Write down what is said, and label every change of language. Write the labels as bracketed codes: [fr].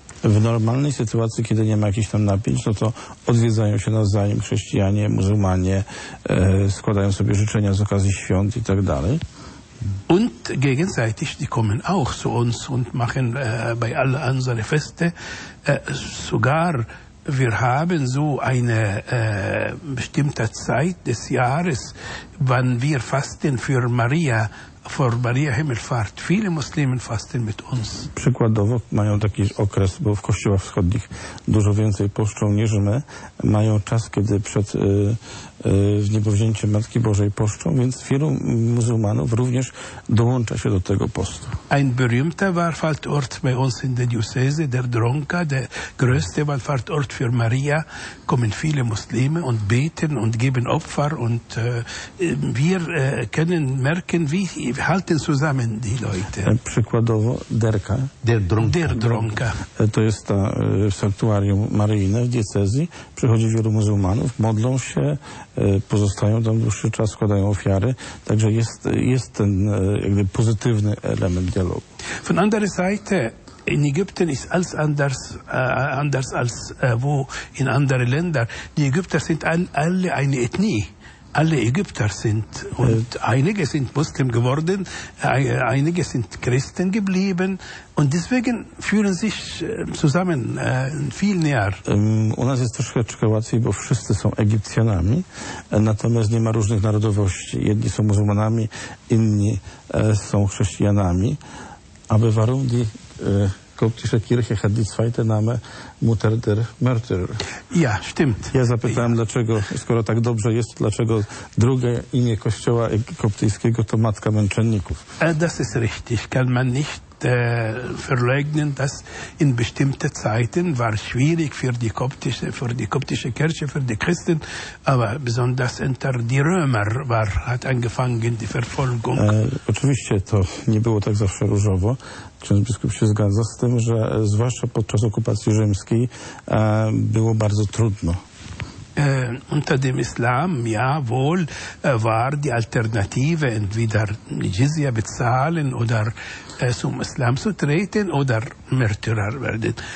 [pl] W normalnej sytuacji, kiedy nie ma jakichś tam napięć, no to odwiedzają się nawzajem chrześcijanie, muzułmanie, składają sobie życzenia z okazji świąt i tak dalej. [de] Und gegenseitig, die kommen auch zu uns und machen bei allen unseren Feste. Sogar wir haben so eine bestimmte Zeit des Jahres, wann wir fasten für Maria, vor Maria Himmelfahrt. Viele Muslimen fasten mit uns. [pl] Przykładowo mają taki okres, bo w kościołach wschodnich dużo więcej poszczą niż my. Mają czas, kiedy przed wniebowzięciem Matki Bożej poszczą, więc wielu muzułmanów również dołącza się do tego postu. [de] Ein berühmter Wallfahrtort bei uns in der Diözese, der Dronka, der größte Wallfahrtort für Maria, kommen viele Muslime und beten und geben Opfer und wir können merken, wie halten zusammen die Leute. [pl] Przykładowo Derka. [de] Der Dronka. Der Dronka. [pl] To jest ta sanktuarium maryjne w diecezji. Przychodzi wielu muzułmanów, modlą się, pozostają tam dłuższy czas, składają ofiary. Także jest ten jakby pozytywny element dialogu. [de] Von anderer Seite, in Ägypten ist alles anders als wo in andere Länder. Die Ägypter sind alle eine Ethnie. Alle Ägypter sind und einige sind Muslim geworden, einige sind Christen geblieben und deswegen fühlen sich zusammen viel näher. [pl] U nas jest troszeczkę łatwiej, bo wszyscy są Egipcjanami, natomiast nie ma różnych narodowości. Jedni są muzułmanami, inni są chrześcijanami. [de] Aber warum die koptische Kirche hat die zweite Name Mutter der Märtyr. Ja, stimmt. [pl] Ja zapytałem, dlaczego, skoro tak dobrze jest, dlaczego drugie imię kościoła koptyjskiego to Matka Męczenników. [de] Das ist richtig. Kann man nicht verleugnen, dass in bestimmte Zeiten war schwierig für die koptische Kirche, für die Christen, aber besonders unter die Römer war, hat angefangen die Verfolgung. [pl] Oczywiście to nie było tak zawsze różowo. Ksiądz biskup się zgadza z tym, że zwłaszcza podczas okupacji rzymskiej było bardzo trudno. [de] Unter dem Islam, ja wohl, war die Alternative, entweder Jizya bezahlen oder zum Islam zu treten oder Märtyrer werden.